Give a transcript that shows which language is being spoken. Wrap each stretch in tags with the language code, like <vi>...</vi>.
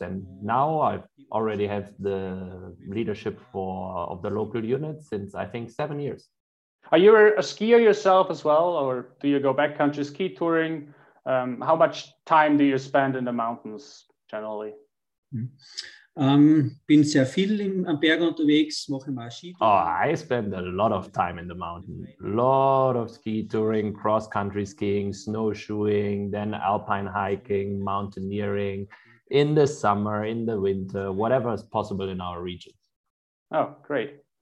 <en>And now I've already had the leadership of the local unit since, I think, 7 years. Are you a skier yourself as well, or do you go backcountry ski touring? How much time do you spend in the mountains generally?</en> <de>Bin sehr viel am Berg unterwegs, mache mal Ski.</de> <en>Oh, I spend a lot of time in the mountain. Lot of ski touring, cross-country skiing, snowshoeing, then alpine hiking, mountaineering, in the summer, in the winter, whatever is possible in our region. Oh, great.</en>